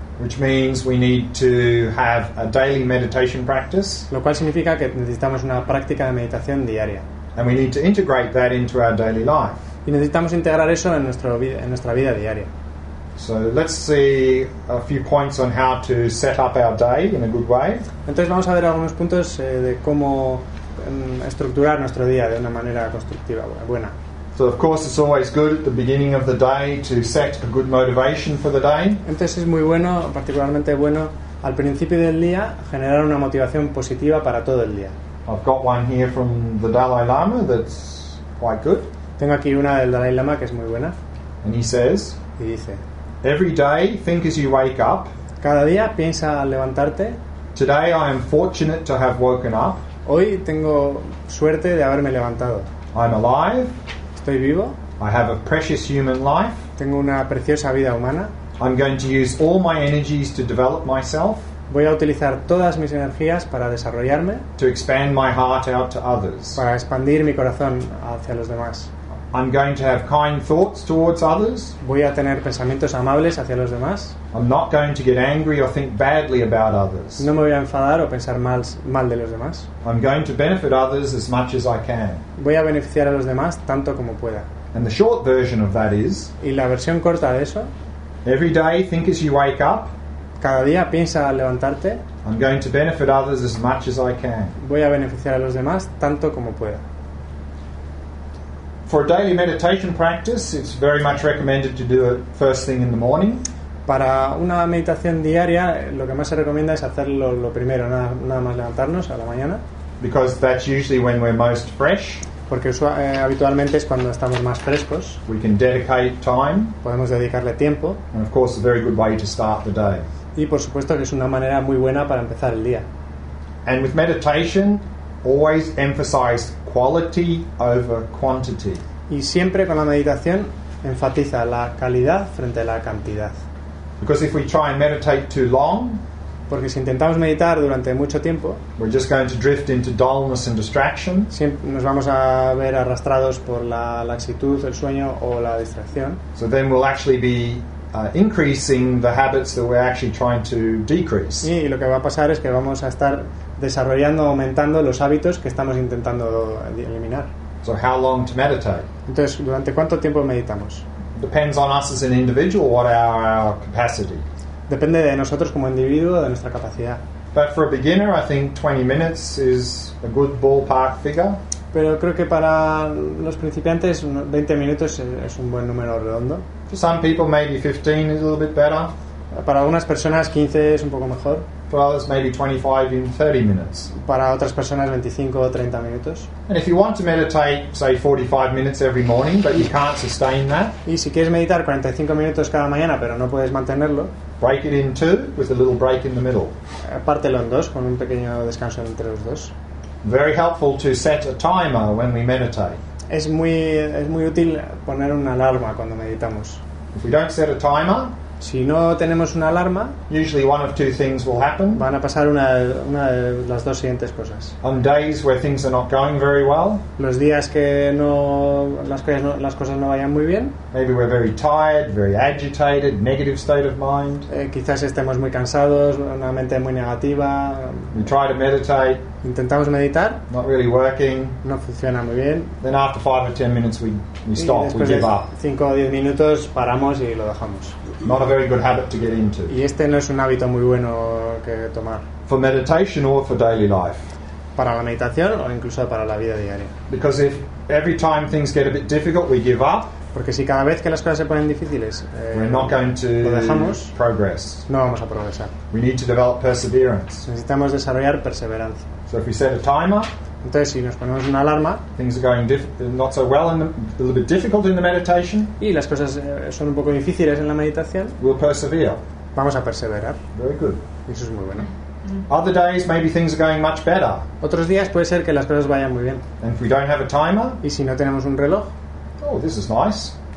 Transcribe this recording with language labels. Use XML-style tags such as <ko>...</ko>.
<en>Which means we need to have a daily meditation practice.</en> <es>Lo cual significa que necesitamos una práctica de meditación diaria.</es> <en>And we need to integrate that into our daily life.</en> <es>Y necesitamos integrar eso en nuestra vida diaria.</es> <en>So let's see a few points on how to set up our day in a good way.</en> <es>Entonces vamos a ver algunos puntos de cómo estructurar nuestro día de una manera constructiva buena.</es> <en>So of course it's always good at the beginning of the day to set a good motivation for the day.</en> <es>Entonces es muy bueno, particularmente bueno, al principio del día generar una motivación positiva para todo el día.</es> <en>I've got one here from the Dalai Lama that's quite good.</en> <es>Tengo aquí una del Dalai Lama que es muy buena.</es> <en>And he says,</en> <es>y dice,</es> <en>every day, think as you wake up.</en> <es>Cada día piensa al levantarte.</es> <en>Today I am fortunate to have woken up.</en> <es>Hoy tengo suerte de haberme levantado.</es> <en>I'm alive.</en> <es>Estoy vivo.</es> <en>I have a precious human life.</en> <es>Tengo una preciosa vida humana.</es> <en>I'm going to use all my energies to develop myself.</en> <es>Voy a utilizar todas mis energías para desarrollarme.</es> <en>To expand my heart out to others.</en> <es>Para expandir mi corazón hacia los demás.</es> <en>I'm going to have kind thoughts towards others.</en> <es>Voy a tener pensamientos amables hacia los demás.</es> <en>I'm not going to get angry or think badly about others.</en> <es>No me voy a enfadar o pensar mal de los demás.</es> <en>I'm going to benefit others as much as I can.</en> <es>Voy a beneficiar a los demás tanto como pueda.</es> <en>And the short version of that is,</en> <es>y la versión corta de eso,</es> <en>every day think as you wake up.</en> <es>Cada día piensa al levantarte.</es> <en>I'm going to benefit others as much as I can.</en> <es>Voy a beneficiar a los demás tanto como pueda.</es> <en>For a daily meditation practice, it's very much recommended to do it first thing in the morning.</en> <es>Para una meditación diaria, lo que más se recomienda es hacerlo lo primero, nada más levantarnos a la mañana.</es> <en>Because that's usually when we're most fresh.</en> <es>Porque habitualmente es cuando estamos más frescos.</es> <en>We can dedicate time.</en> <es>Podemos dedicarle tiempo.</es> <en>And of course, a very good way to start the day.</en> <es>Y por supuesto que es una manera muy buena para empezar el día.</es> <en>And with meditation, always emphasize quality over quantity.</en> <es>Y siempre con la meditación enfatiza la calidad frente a la cantidad.</es> <en>Because if we try and meditate too long,</en> <es>porque si intentamos meditar durante mucho tiempo,</es> <en>we're just going to drift into dullness and distraction.</en> <es>Siempre nos vamos a ver arrastrados por la laxitud, el sueño o la distracción.</es> <en>So then we'll actually be increasing the habits that we're actually trying to decrease.</en> <es>Y lo que va a pasar es que vamos a estar desarrollando, aumentando los hábitos que estamos intentando eliminar.</es> <en>So how long to meditate?</en> <es>Entonces, ¿durante cuánto tiempo meditamos?</es> <en>Depends on us as an individual, what our capacity.</en> <es>Depende de nosotros como individuo, de nuestra capacidad.</es> <en>But for a beginner, I think 20 minutes is a good ballpark figure.</en> <es>Pero creo que para los principiantes 20 minutos es un buen número redondo.</es> <en>For some people, maybe 15 is a little bit better.</en> <es>Para algunas personas 15 es un poco mejor.</es> <en>For others, maybe 25 in 30 minutes.</en> <es>Para otras personas 25 o 30 minutos.</es> <en>And if you want to meditate, say 45 minutes every morning, but you can't sustain that.</en> <es>Y si quieres meditar 45 minutos cada mañana, pero no puedes mantenerlo.</es> <en>Break it in two with a little break in the middle.</en> <es>Pártelo en dos con un pequeño descanso entre los dos.</es> <en>Very helpful to set a timer when we meditate.</en> <es>Es muy útil poner una alarma cuando meditamos.</es> <en>If we don't set a timer.</en> <es>Si no tenemos una alarma,</es> <en>usually one of two things will happen.</en> <es>Van a pasar una de las dos siguientes cosas.</es> <en>On days where things are not going very well,</en> <es>los días que no las cosas no vayan muy bien,</es> <en>maybe we're very tired, very agitated, negative state of mind.</en> <es>Quizás estemos muy cansados, una mente muy negativa.</es> <en>We try to meditate.</en> <es>Intentamos meditar.</es> <en>Not really working.</en> <es>No funciona muy bien.</es> <en>Then after 5 or 10 minutes we stop, we give up.</en> <es>5 o 10 minutos paramos y lo dejamos.</es> <en>Not a very good habit to get into.</en> <es>Y este no es un hábito muy bueno que tomar.</es> <en>For meditation or for daily life.</en> <es>Para la meditación o incluso para la vida diaria.</es> <en>Because if every time things get a bit difficult we give up.</en> <es>Porque si cada vez que las cosas se ponen difíciles,</es> <en>we're not going to</en> <es>lo dejamos,</es> <en>progress.</en> <es>No vamos a progresar.</es> <en>We need to develop perseverance.</en> <es>Necesitamos desarrollar perseverancia.</es> <en>So if we set a timer.</en> <es>Entonces, si nos ponemos una alarma,</es> <en>things are going not so well, a little bit difficult in the meditation.</en> <es>Y las cosas son un poco difíciles en la meditación.</es> <en>We'll persevere.</en> <es>Vamos a perseverar.</es> <en>Very good.</en> <es>Eso es muy bueno.</es> <en>Other days, maybe things are going much better.</en> <es>Otros días puede ser que las cosas vayan muy bien.</es> <en>And if we don't have a timer.</en> <es>Y si no tenemos un reloj.</es> <en>Oh, this is nice.</en>